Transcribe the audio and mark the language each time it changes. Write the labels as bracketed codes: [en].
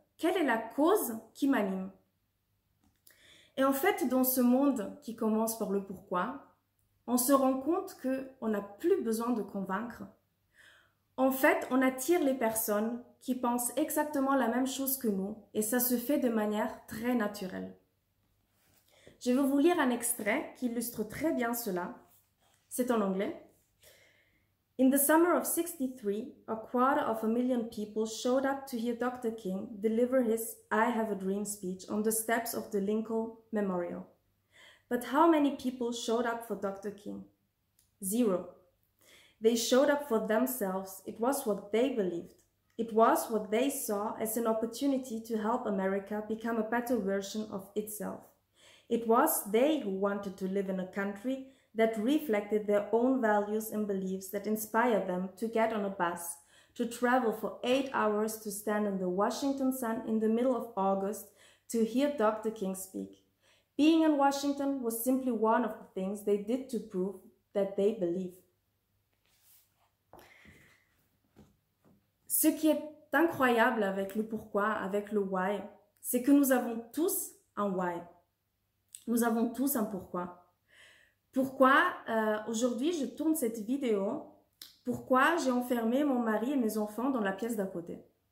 [fr] Quelle est la cause qui m'anime? Et en fait, dans ce monde qui commence par le pourquoi, on se rend compte qu'on n'a plus besoin de convaincre. En fait, on attire les personnes qui pensent exactement la même chose que nous et ça se fait de manière très naturelle. Je vais vous lire un extrait qui illustre très bien cela. C'est en anglais. [en] In the summer of 63, a quarter of a million people showed up to hear Dr. King deliver his I Have a Dream speech on the steps of the Lincoln Memorial. But how many people showed up for Dr. King? Zero. They showed up for themselves. It was what they believed. It was what they saw as an opportunity to help America become a better version of itself. It was they who wanted to live in a country that reflected their own values and beliefs that inspired them to get on a bus, to travel for 8 hours to stand in the Washington sun in the middle of August to hear Dr. King speak. Being in Washington was simply one of the things they did to prove that they believe. [fr] Ce qui est incroyable avec le pourquoi, avec le why, c'est que nous avons tous un why. Nous avons tous un pourquoi. Pourquoi aujourd'hui je tourne cette vidéo? Pourquoi j'ai enfermé mon mari et mes enfants dans la pièce d'à côté?